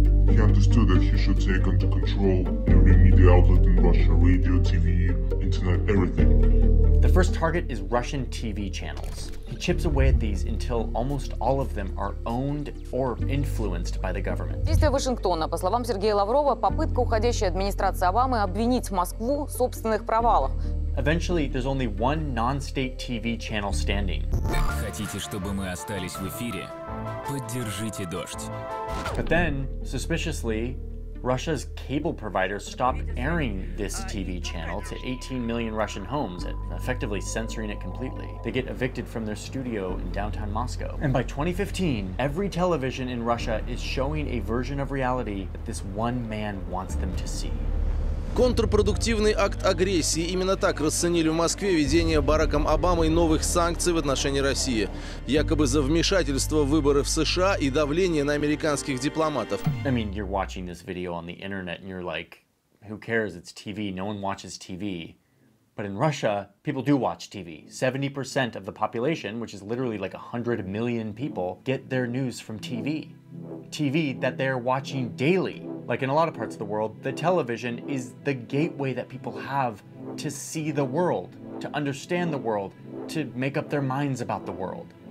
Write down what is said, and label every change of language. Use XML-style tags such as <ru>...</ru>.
<en>He understood that he should take under control every media outlet in Russia, radio, TV, internet, everything. The first target is Russian TV channels. He chips away at these until almost all of them are owned or influenced by the government.</en> <ru>Действия Вашингтона, по словам Сергея Лаврова, попытка уходящей администрации Обамы обвинить Москву в собственных провалах.</ru> <en>Eventually, there's only one non-state TV channel standing.</en> <ru>Хотите, чтобы мы остались в эфире? Поддержите дождь.</ru> <en>But then, suspiciously, Russia's cable providers stop airing this TV channel to 18 million Russian homes, effectively censoring it completely. They get evicted from their studio in downtown Moscow. And by 2015, every television in Russia is showing a version of reality that this one man wants them to see.</en> <ru>Контрпродуктивный акт агрессии. Именно так расценили в Москве введение Бараком Обамой новых санкций в отношении России. Якобы за вмешательство в выборы в США и давление на американских дипломатов.</ru> <en>I mean, you're watching this video on the internet and you're like, who cares, it's TV, no one watches TV. But in Russia, people do watch TV. 70% of the population, which is literally like 100 million people, get their news from TV. TV that they're watching daily. Like in a lot of parts of the world, the television is the gateway that people have to see the world, to understand the world, to make up their minds about the world.</en>